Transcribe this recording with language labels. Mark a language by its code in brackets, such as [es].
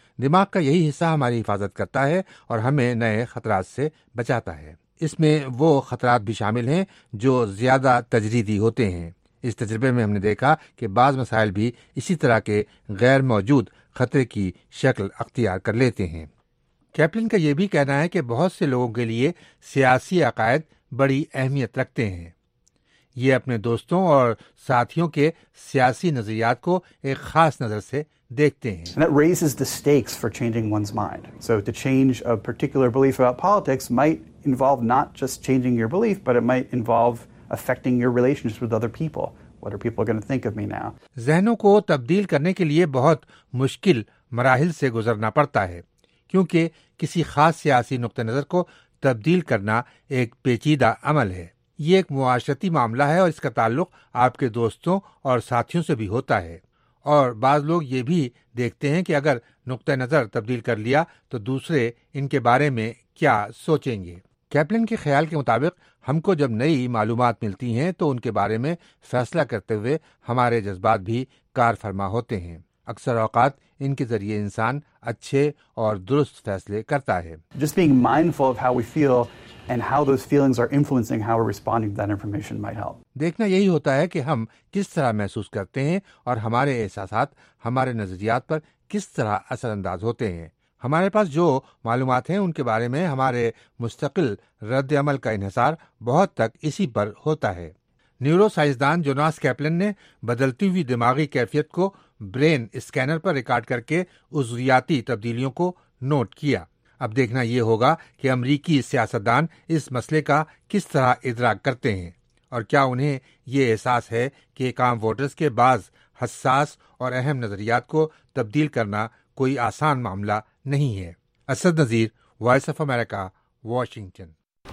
[ur] دماغ کا یہی حصہ ہماری حفاظت کرتا ہے اور ہمیں نئے خطرات سے بچاتا ہے۔ اس میں وہ خطرات بھی شامل ہیں جو زیادہ تجریدی ہوتے ہیں۔ اس تجربے میں ہم نے دیکھا کہ بعض مسائل بھی اسی طرح کے غیر موجود خطرے کی شکل اختیار کر لیتے ہیں۔ کیپلن کا یہ بھی کہنا ہے کہ بہت سے لوگوں کے لیے سیاسی عقائد بڑی اہمیت رکھتے ہیں۔ یہ اپنے دوستوں اور ساتھیوں کے سیاسی نظریات کو ایک خاص نظر سے دیکھتے ہیں۔ [en] That raises the stakes for changing one's mind. So to change a particular belief about politics might involve not just changing your belief, but it might involve affecting your relationships with other people. What are people going to think of me now? [ur] ذہنوں کو تبدیل کرنے کے لیے بہت مشکل مراحل سے گزرنا پڑتا ہے، کیونکہ کسی خاص سیاسی نقطہ نظر کو تبدیل کرنا ایک پیچیدہ عمل ہے۔ یہ ایک معاشرتی معاملہ ہے اور اس کا تعلق آپ کے دوستوں اور ساتھیوں سے بھی ہوتا ہے، اور بعض لوگ یہ بھی دیکھتے ہیں کہ اگر نقطہ نظر تبدیل کر لیا تو دوسرے ان کے بارے میں کیا سوچیں گے۔ کیپلن کے خیال کے مطابق ہم کو جب نئی معلومات ملتی ہیں تو ان کے بارے میں فیصلہ کرتے ہوئے ہمارے جذبات بھی کار فرما ہوتے ہیں۔ اکثر اوقات ان کے ذریعے انسان اچھے اور درست فیصلے کرتا ہے۔ [en] Just being mindful of how we feel and how those feelings are influencing how we're responding to that information might help. [ur] دیکھنا یہی ہوتا ہے کہ ہم کس طرح محسوس کرتے ہیں اور ہمارے احساسات ہمارے نظریات پر کس طرح اثر انداز ہوتے ہیں۔ ہمارے پاس جو معلومات ہیں ان کے بارے میں ہمارے مستقل رد عمل کا انحصار بہت تک اسی پر ہوتا ہے۔ نیورو سائنسدان جوناس کیپلن نے بدلتی ہوئی دماغی کیفیت کو برین اسکینر پر ریکارڈ کر کے عضویاتی تبدیلیوں کو نوٹ کیا۔ اب دیکھنا یہ ہوگا کہ امریکی سیاستدان اس مسئلے کا کس طرح ادراک کرتے ہیں اور کیا انہیں یہ احساس ہے کہ ایک عام ووٹرز کے بعض حساس اور اہم نظریات کو تبدیل کرنا کوئی آسان معاملہ نہیں ہے۔ Asad Nazir, voice of America, Washington.